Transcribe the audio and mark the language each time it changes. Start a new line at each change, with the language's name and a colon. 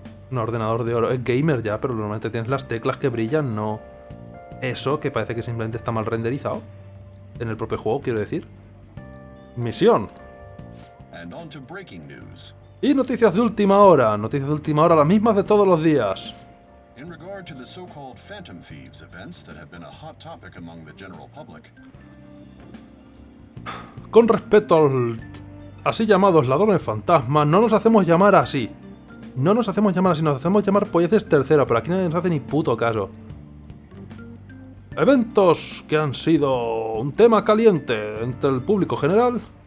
Spanish: Un ordenador de oro. Es gamer ya, pero normalmente tienes las teclas que brillan, no eso que parece que simplemente está mal renderizado. En el propio juego, quiero decir. ¡Misión!
English: And on to breaking news.
Spanish: Y noticias de última hora. Noticias de última hora, las mismas de todos los días.
English: In regard to the so-called Phantom Thieves events that have been a hot topic among the general public.
Spanish: Con respecto al así llamados ladrones fantasmas, no nos hacemos llamar así. No nos hacemos llamar así, nos hacemos llamar polleces tercera, pero aquí nadie nos hace ni puto caso. Eventos que han sido un tema caliente entre el público general.